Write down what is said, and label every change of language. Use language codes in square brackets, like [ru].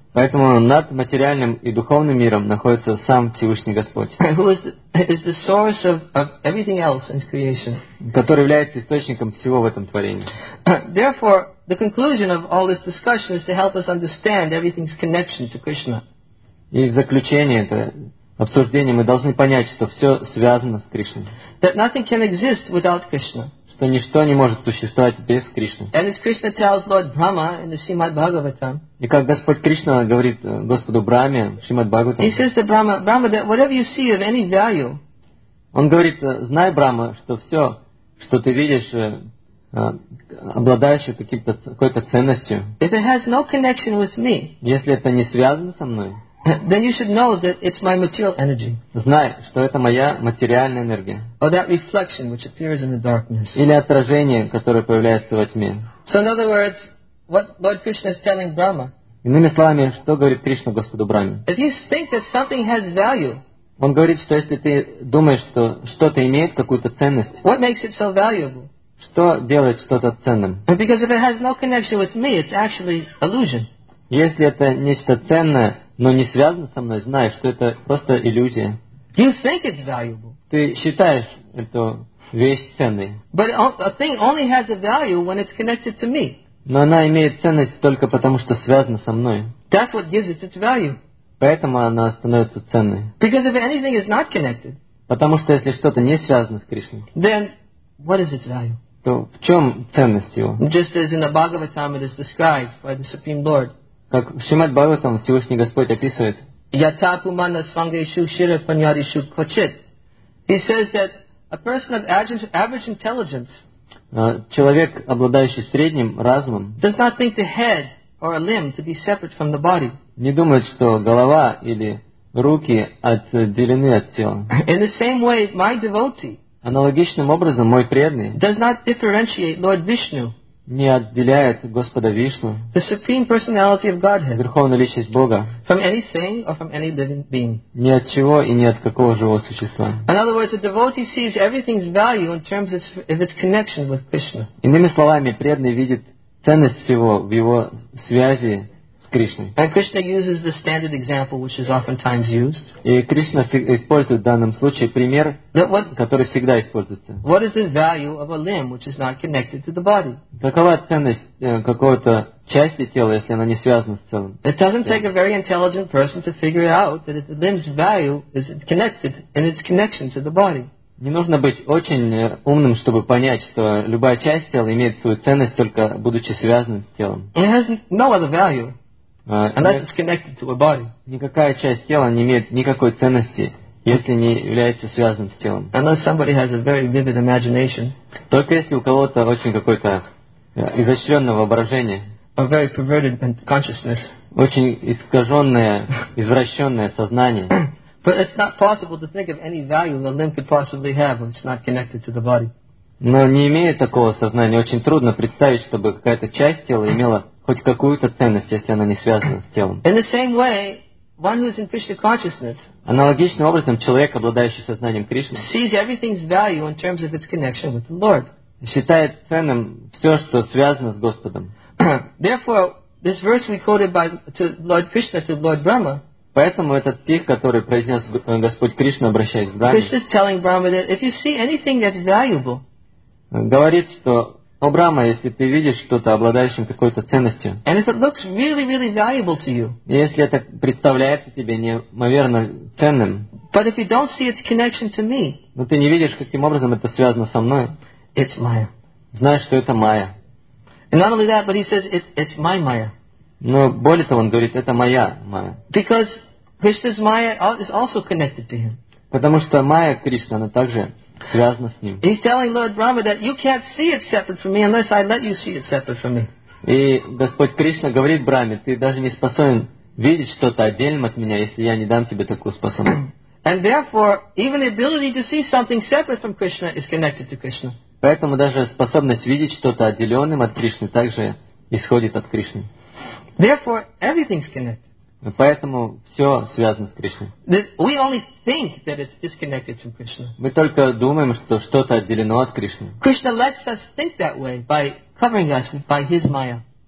[ru] Поэтому над материальным и духовным миром находится сам Всевышний Господь, [en] who is the source of everything else in creation, [ru] который является источником всего в этом творении. [en] Therefore, the conclusion of all this discussion is to help us understand everything's connection to Krishna. [ru] И в заключение это обсуждение мы должны понять, что все связано с Кришной. [en] That nothing can exist without Krishna. [ru] Что ничто не может существовать без Кришны. [en] And as Krishna tells Lord Brahma in the Srimad Bhagavatam. [ru] И как Господь Кришна говорит Господу Брахме в Шримад Бхагаватам. [en] He says to Brahma, Brahma, that whatever you see of any value. [ru] Он говорит, знай, Брахма, что все, что ты видишь, обладающее какой-то ценностью. [en] If it has no connection with me. [ru] Если это не связано со мной. [en] Then you should know that it's my material energy. [ru] Знай, что это моя материальная энергия. [en] Or that reflection which appears in the darkness. [ru] Или отражение, которое появляется во тьме. [en] So in other words, what Lord Krishna is telling Brahma. [ru] Иными словами, что говорит Кришна Господу Брахме? [en] If you think that something has value. [ru] Он говорит, что если ты думаешь, что что-то имеет какую-то ценность. [en] What makes it so valuable? [ru] Что делает что-то ценным? [en] Because if it has no connection with me, it's actually illusion. [ru] Если это нечто ценное, но не связано со мной, знай, что это просто иллюзия. [en] You think it's valuable. [ru] Ты считаешь эту вещь ценной. [en] But a thing only has a value when it's connected to me. [ru] Но она имеет ценность только потому, что связана со мной. [en] That's what gives it its value. [ru] Поэтому она становится ценной. [en] Because if anything is not connected. [ru] Потому что если что-то не связано с Кришной. [en] Then what is its value? [ru] То в чем ценность его? [en] Just as in the Bhagavatam it is described by the Supreme Lord. [ru] Как в Шримад Бхагаватам Всевышний Господь описывает. [en] He says that a person of average intelligence, [ru] человек, обладающий средним разумом, [en] does not think the head or a limb to be separate from the body. [ru] Не думает, что голова или руки отделены от тела. [en] In the same way, my devotee, [ru] аналогичным образом, мой преданный, [en] does not differentiate Lord Vishnu. [ru] Не отделяет Господа Вишну, [en] the Supreme Personality of Godhead, [ru] Верховную Личность Бога, [en] from anything or from any living being. [ru] Ни от чего и ни от какого живого существа. [en] In other words, a devotee sees everything's value in terms of its connection with Krishna. [ru] Иными словами, преданный видит ценность всего в его связи с Кришной. [en] And Krishna uses the standard example, which is oftentimes used. [ru] И Кришна использует в данном случае пример, который всегда используется. [en] What is the value of a limb which is not connected to the body? [ru] Какова ценность какого-то части тела, если она не связана с целым? [en] It doesn't take a very intelligent person to figure out that the limb's value is connected in its connection to the body. [ru] Не нужно быть очень умным, чтобы понять, что любая часть тела имеет свою ценность только будучи связанным с телом. [en] It has no other value. Unless it's connected to a body. [ru] Никакая часть тела не имеет никакой ценности, если не является связанным с телом. [en] Unless somebody has a very vivid imagination. [ru] Только если у кого-то очень какое-то изощренное воображение. [en] A very perverted consciousness. [ru] Очень искаженное, извращенное сознание. [en] But it's not possible to think of any value a limb could possibly have when it's not connected to the body. [ru] Но не имея такого сознания, очень трудно представить, чтобы какая-то часть тела имела хоть какую-то ценность, если она не связана с телом. [en] In the same way, one who is in Krishna consciousness, [ru] аналогичным образом, человек, обладающий сознанием Кришны, [en] sees everything's value in terms of its connection with the Lord. [ru] Считает ценным все, что связано с Господом. [en] Therefore, this verse we quoted by to Lord Krishna to Lord Brahma. [ru] Поэтому этот стих, который произнес Господь Кришна, обращаясь к Брахме. [en] Krishna is telling Brahma that if you see anything that's valuable, [ru] говорит, что о, Брахма, если ты видишь что-то, обладающим какой-то ценностью, [en] and if it looks really, really valuable to you, [ru] если это представляется тебе неимоверно ценным, [en] but if you don't see its connection to me, [ru] но ты не видишь, каким образом это связано со мной, [en] it's Maya. [ru] Знаешь, что это Maya. [en] And not only that, but he says, it's my Maya. [ru] Но более того, он говорит, это моя Maya. [en] Because Krishna's Maya is also connected to him. [ru] Потому что Maya Кришна, она также связано с ним. [en] He's telling Lord Brahma that you can't see it separate from me unless I let you see it separate from me. [ru] И Господь Кришна говорит Брахме, ты даже не способен видеть что-то отдельно от меня, если я не дам тебе такую способность. [en] And therefore, even the ability to see something separate from Krishna is connected to Krishna. [ru] Поэтому даже способность видеть что-то отделенным от Кришны также исходит от Кришны. [en] Therefore, everything's connected. [ru] Поэтому все связано с Кришной. [en] We only think that it's disconnected from Krishna. [ru] Мы только думаем, что что-то отделено от Кришны. [en] Krishna lets us think that way by covering us by his Maya.